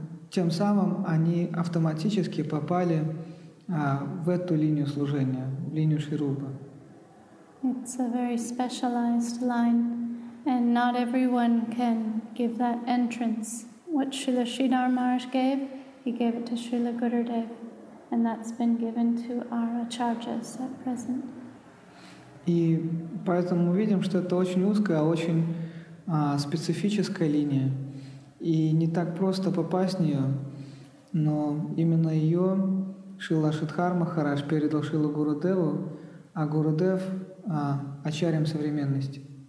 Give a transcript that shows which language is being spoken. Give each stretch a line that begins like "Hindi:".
Russian: Тем самым они автоматически попали в эту линию служения, в линию Шри Рупы.
English: It's a very specialized line, and not everyone can give that entrance. What Srila Sridhar Maharaj gave, he gave it to Srila Gurudev, and that's been given to our acharyas at present.
Russian: И поэтому мы видим, что это очень узкая, очень специфическая линия, и не так просто попасть в нее, но именно ее Шрила Шридхар Махарадж передал Шрилу Гурудеву, а Гурудев ачарьям современности.